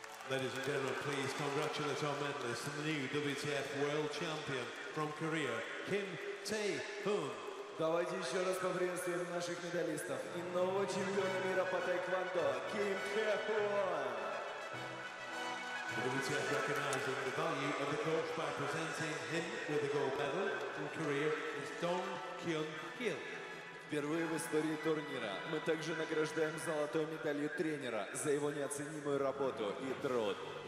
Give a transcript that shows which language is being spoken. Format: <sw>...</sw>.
<en>Ladies and gentlemen, please congratulate our medalist and the new WTF World Champion from Korea, Kim Tae-hyun.</en> <ru>Давайте еще раз поприветствуем наших медалистов и нового чемпиона мира по тхэквондо, Ким Тэ-хун.</ru> <en>The WTF recognizing the value of the coach by presenting him with the gold medal from Korea is Dong Kyun Hil.</en> <ru>Впервые в истории турнира мы также награждаем золотой медалью тренера за его неоценимую работу и труд.</ru>